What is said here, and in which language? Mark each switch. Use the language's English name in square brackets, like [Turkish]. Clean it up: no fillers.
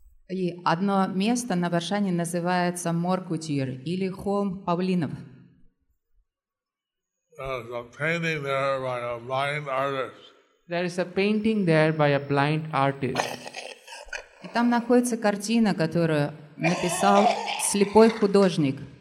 [Russian] И одно место на Варшане называется Моркутир или Холм Павлинов. [English] There's a painting there by a blind artist. There is a painting there by a blind artist. [Russian] И там находится картина, которую написал слепой художник.